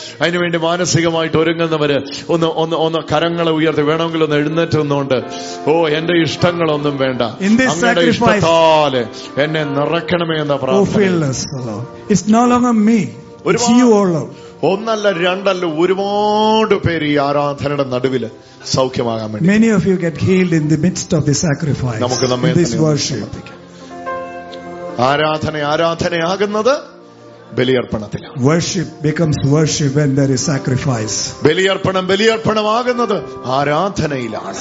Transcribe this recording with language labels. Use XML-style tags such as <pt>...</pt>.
<ml>അതിനുവേണ്ടി മാനസികമായിട്ട് ഒരുങ്ങുന്നവര് ഒന്ന് ഒന്ന് ഒന്ന് കരങ്ങളെ ഉയർത്തി വേണമെങ്കിൽ ഒന്ന് എഴുന്നേറ്റ് നിന്നുകൊണ്ട് ഓ എന്റെ ഇഷ്ടങ്ങളൊന്നും വേണ്ട, അങ്ങയുടെ ഇഷ്ടത്താല് എന്നെ നിറയ്ക്കണമേ എന്ന പ്രാർത്ഥന. ഒന്നല്ല രണ്ടല്ല ഒരുപാട് പേര് ഈ ആരാധനയുടെ നടുവിൽ സൗഖ്യമാകാൻ വേണ്ടി.</ml> <en>Many of you get healed in the midst of the sacrifice.</en> <ml>നമുക്ക് നമ്മെ</ml> <en>this worship.</en> <ml>ആരാധന ആരാധനയാകുന്നത് ബലിയർപ്പണത്തിലാണ്.</ml> <en>Worship becomes worship when there is sacrifice.</en> <ml>ബലിയർപ്പണം ബലിയർപ്പണമാകുന്നത് ആരാധനയിലാണ്.</ml>